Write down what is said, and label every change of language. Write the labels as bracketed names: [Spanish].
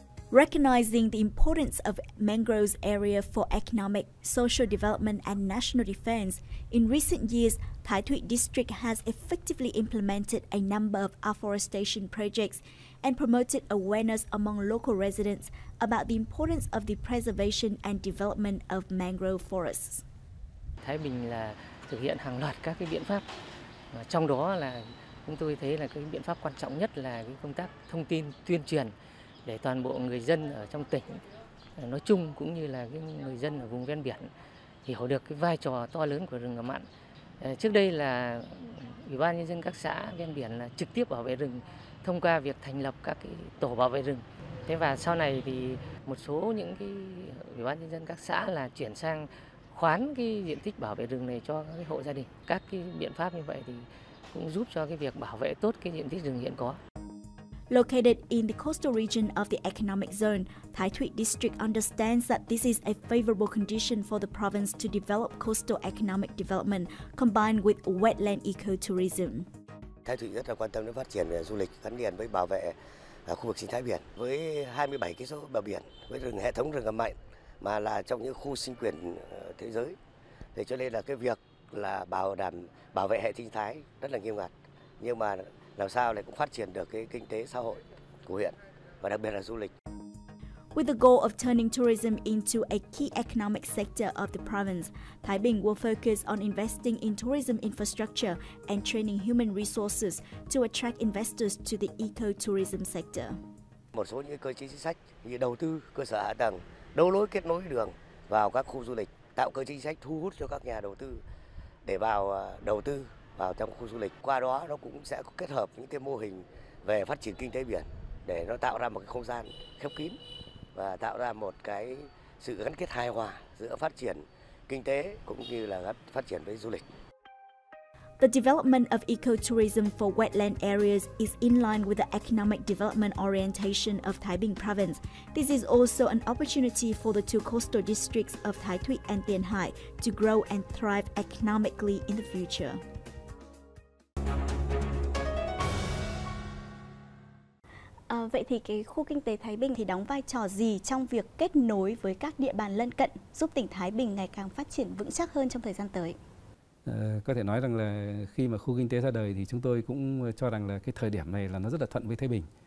[English] Recognizing the importance of mangroves area for economic, social development and national defense, in recent years, Thái Thụy District has effectively implemented a number of afforestation projects and promoted awareness among local residents about the importance of the preservation and development of mangrove forests. [Vietnamese] Thái Bình là thực hiện hàng loạt các cái biện pháp. Trong đó là chúng tôi thấy là cái biện pháp quan trọng nhất là cái công tác thông tin tuyên truyền để toàn bộ người dân ở trong tỉnh nói chung cũng như là cái người dân ở vùng ven biển hiểu được cái vai trò to lớn của rừng ngập mặn. Trước đây là Ủy ban Nhân dân các xã ven biển là trực tiếp bảo vệ rừng thông qua việc thành lập các cái tổ bảo vệ rừng. Thế và sau này thì một số những cái Ủy ban Nhân dân các xã là chuyển sang khoán cái diện tích bảo vệ rừng này cho các cái hộ gia đình. Các cái biện pháp như vậy thì cũng giúp cho cái việc bảo vệ tốt cái diện tích rừng hiện có. [English] Located in the coastal region of the economic zone, Thái Thụy District understands that this is a favorable condition for the province to develop coastal economic development combined with wetland ecotourism. [Vietnamese] Thái Thụy rất là quan tâm đến phát triển du lịch gắn liền với bảo vệ khu vực sinh thái biển với 27 cây số bờ biển với rừng hệ thống rừng ngập mặn mà là trong những khu sinh quyển thế giới. Thế cho nên là cái việc là bảo đảm bảo vệ hệ sinh thái rất là nghiêm ngặt. Nhưng mà làm sao lại cũng phát triển được cái kinh tế xã hội của huyện và đặc biệt là du lịch. [English] With the goal of turning tourism into a key economic sector of the province, Thái Bình will focus on investing in tourism infrastructure and training human resources to attract investors to the eco-tourism sector. [Vietnamese] Một số những cơ chế chính sách như đầu tư cơ sở hạ tầng, đấu nối kết nối đường vào các khu du lịch, tạo cơ chế chính sách thu hút cho các nhà đầu tư để vào đầu tư vào trong khu du lịch. Qua đó nó cũng sẽ kết hợp những cái mô hình về phát triển kinh tế biển để nó tạo ra một cái không gian khép kín và tạo ra một cái sự gắn kết hài hòa giữa phát triển kinh tế cũng như là phát triển với du lịch. [English] The development of ecotourism for wetland areas is in line with the economic development orientation of Taibing Province. This is also an opportunity for the two coastal districts of Thái Thụy and Tiền Hải to grow and thrive economically in the future. [Vietnamese] Vậy thì cái khu kinh tế Thái Bình thì đóng vai trò gì trong việc kết nối với các địa bàn lân cận giúp tỉnh Thái Bình ngày càng phát triển vững chắc hơn trong thời gian tới? Có thể nói rằng là khi mà khu kinh tế ra đời thì chúng tôi cũng cho rằng là cái thời điểm này là nó rất là thuận với Thái Bình.